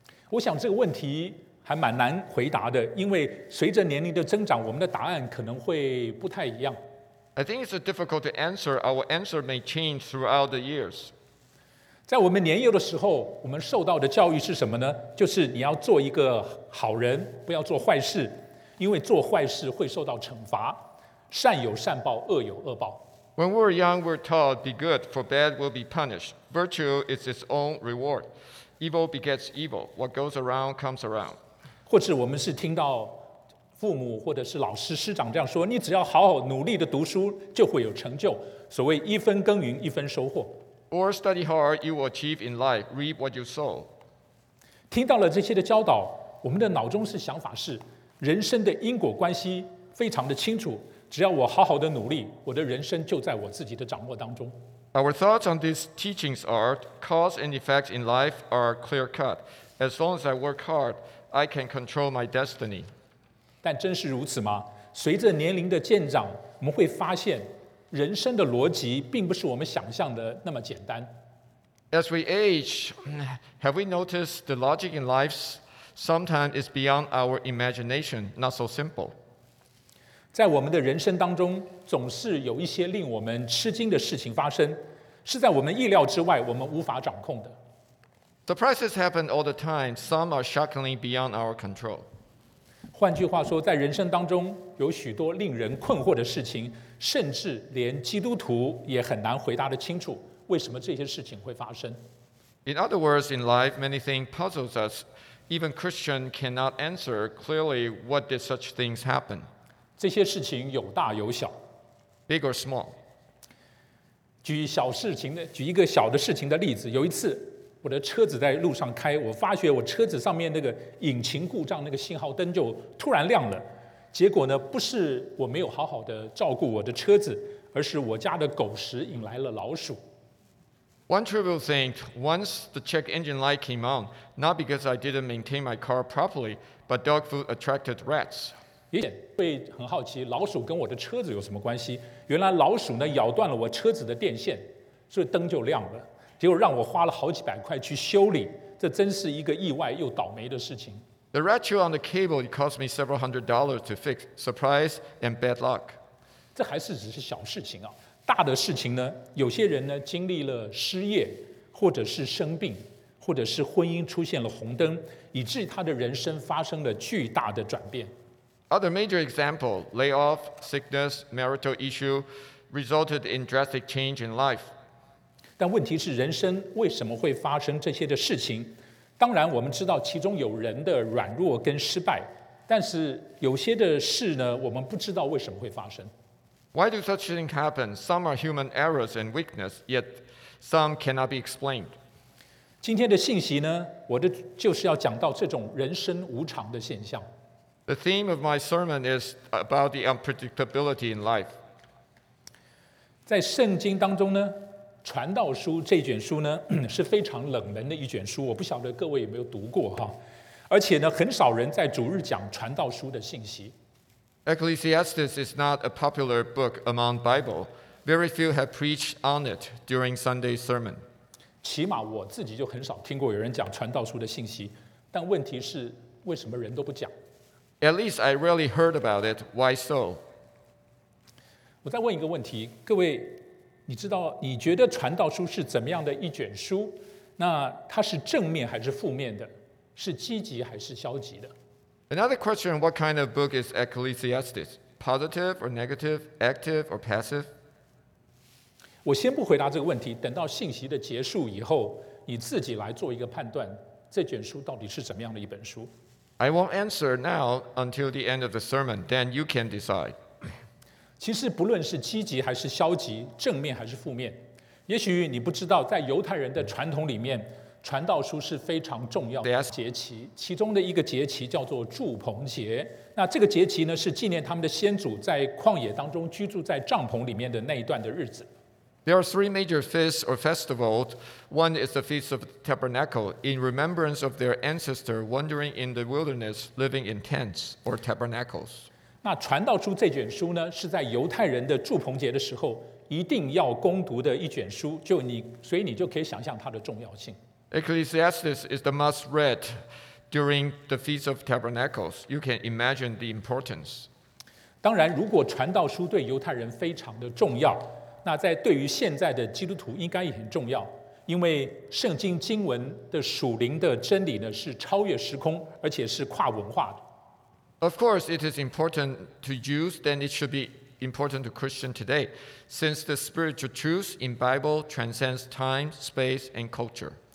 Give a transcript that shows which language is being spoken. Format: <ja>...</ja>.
<zh>我想这个问题还蛮难回答的，因为随着年龄的增长，我们的答案可能会不太一样。</zh> <en>I think it's a difficult to answer. Our answer may change throughout the years.</en> <zh>在我们年幼的时候，我们受到的教育是什么呢？就是你要做一个好人，不要做坏事，因为做坏事会受到惩罚。善有善报，恶有恶报。</zh> <en>When we're young, we're taught, be good, for bad will be punished. Virtue is its own reward. Evil begets evil. What goes around comes around.</en> <zh>或者我们是听到父母或者是老师师长这样说，你只要好好努力的读书就会有成就，所谓一分耕耘一分收获。</zh> <en>Or study hard, you will achieve in life, reap what you sow.</en> <zh>听到了这些的教导，我们的脑中是想法是人生的因果关系非常的清楚，只要我好好的努力，我的人生就在我自己的掌握当中。</zh> <en>Our thoughts on these teachings are cause and effect in life are clear cut. As long as I work hard, I can control my destiny.</en> <zh>但真是如此吗？随着年龄的渐长，我们会发现人生的逻辑并不是我们想象的那么简单。</zh> <en>As we age, have we noticed the logic in life sometimes is beyond our imagination, not so simple.</en> <zh>在我们的人生当中，总是有一些令我们吃惊的事情发生，是在我们意料之外，我们无法掌控的。</zh> <en>Surprises happen all the time. Some are shockingly beyond our control.</en> <zh>换句话说，在人生当中有许多令人困惑的事情，甚至连基督徒也很难回答得清楚，为什么这些事情会发生。</zh> <en>In other words, in life, many things puzzles us. Even Christians cannot answer clearly what did such things happen.</en> <zh>这些事情有大有小</zh> <en>，big or small.</en> <zh>举一个小的事情的例子，有一次。我的车子在路上开，我发觉我车子上面那个引擎故障，那个信号灯就突然亮了。结果呢，不是我没有好好的照顾我的车子，而是我家的狗屎引来了老鼠。</zh> <en>One trivial thing, once the check engine light came on, not because I didn't maintain my car properly, but dog food attracted rats.</en> <zh>也会很好奇, 老鼠跟我的车子有什么关系? 原来老鼠呢, 咬断了我车子的电线, 所以灯就亮了, 结果让我花了好几百块去修理, 这真是一个意外又倒霉的事情。</zh> <en>The rat chew on the cable, it cost me several hundred dollars to fix. Surprise and bad luck.</en> <zh>这还是只是小事情啊。大的事情呢, 有些人呢, 经历了失业, 或者是生病, 或者是婚姻出现了红灯, 以致他的人生发生了巨大的转变。</zh> <en>Other major example, layoff, sickness, marital issue, resulted in drastic change in life.</en> <zh>但问题是人生为什么会发生这些的事情?当然我们知道其中有人的软弱跟失败, 但是有些的事呢, 我们不知道为什么会发生。</zh> <en>Why do such things happen? Some are human errors and weakness, yet some cannot be explained.</en> <zh>今天的信息呢, 我的就是要讲到这种人生无常的现象。</zh> <en>The theme of my sermon is about the unpredictability in life.</en> <zh>在圣经当中呢, 传道书这卷书呢, 是非常冷门的一卷书, 我不晓得各位有没有读过哈, 而且呢, 很少人在主日讲传道书的信息。</zh> <en>Ecclesiastes is not a popular book among Bible. Very few have preached on it during Sunday's sermon.</en> <zh>起码我自己就很少听过有人讲传道书的信息, 但问题是为什么人都不讲?</zh> <en>At least I rarely heard about it. Why so?</en> <zh>我再问一个问题, 各位, 你知道, 你觉得传道书是怎么样的一卷书? 那它是正面还是负面的? 是积极还是消极的?</zh> <en>Another question, what kind of book is Ecclesiastes? Positive or negative? Active or passive?</en> <zh>我先不回答这个问题, 等到信息的结束以后, 你自己来做一个判断, 这卷书到底是怎么样的一本书?</zh> <en>I won't answer now until the end of the sermon, then you can decide.</en> <zh>其实不论是积极还是消极, 正面还是负面, 也许你不知道, 在犹太人的传统里面, 传道书是非常重要的节期, 其中的一个节期叫做祝棚节, 那这个节期呢, 是纪念他们的先祖在旷野当中, 居住在帐篷里面的那一段的日子。</zh> <en>There are three major feasts or festivals. One is the Feast of Tabernacle, in remembrance of their ancestor wandering in the wilderness, living in tents or tabernacles.</en> <zh>那传道书这卷书呢, 是在犹太人的祝棚节的时候, 一定要攻读的一卷书, 所以你就可以想象它的重要性。</zh> <en>Ecclesiastes is the must read during the Feast of Tabernacles. You can imagine the importance.</en> <zh>当然,如果传道书对犹太人非常的重要, 那在对于现在的基督徒应该也很重要, 因为圣经经文的属灵的真理呢, 是超越时空, 而且是跨文化的。</zh> <en>Of course, it is important to Jews, then it should be important to Christian today, since the spiritual truth in Bible transcends time, space, and culture.</en>